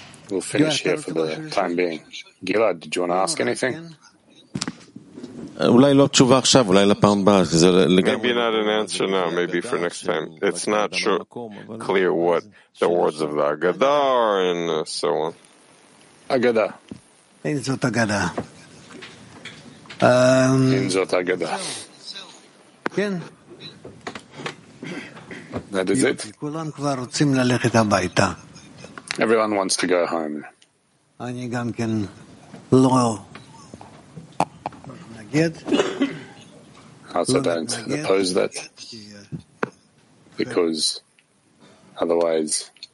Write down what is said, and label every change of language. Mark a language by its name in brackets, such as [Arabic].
[English] We'll finish here for the time being. Gilad, did you want to ask anything? [Hebrew] אולי לא תשובה עכשיו, אולי לפעם הבאה, כי זה לגמרי. [English] Maybe not an answer now, maybe for next time. It's not sure, clear what the words of the Agada are and so on. Agada. [Hebrew] אין זאת אגדה. אין זאת אגדה. כן. [English] That is it. [Hebrew] כולם כבר רוצים ללכת הביתה. [English] Everyone wants to go home. [Hebrew] אני גם כן לא מתנגד. [English] Also don't oppose that. Because otherwise...